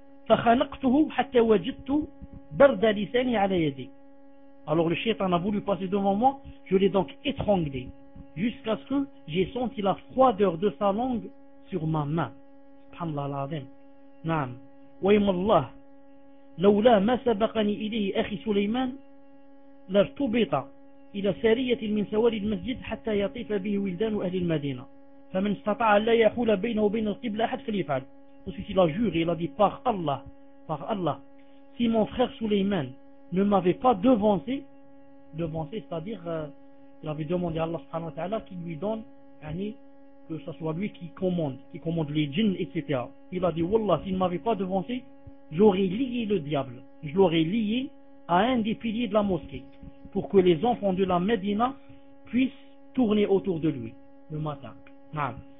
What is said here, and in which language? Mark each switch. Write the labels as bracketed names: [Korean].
[Arabic] فخنقته حتى وجدت برد لساني على يدي. [French] Alors le shaytan a voulu passer devant moi, je l'ai donc étranglé jusqu'à ce que j'ai senti la froideur de sa langue sur ma main. [Arabic] Subhanallah al-Azim. Naam. ويم الله لولا ما سبقني إليه أخي سليمان لارتبط إلى سارية من سوار المسجد حتى يطيف به ولدان أهل المدينة فمن استطاع أن لا يحول بينه وبين القبلة أحد فليفعل. [French] Ensuite il a juré, il a dit par Allah, si mon frère Suleyman ne m'avait pas devancé, devancé, c'est-à-dire il avait demandé à Allah subhanahu wa ta'ala qu'il lui donne, yani, que ce soit lui qui commande les djinns, etc. Il a dit, Wallah, s'il ne m'avait pas devancé, j'aurais lié le diable, je l'aurais lié à un des piliers de la mosquée, pour que les enfants de la Médina puissent tourner autour de lui le matin. Non.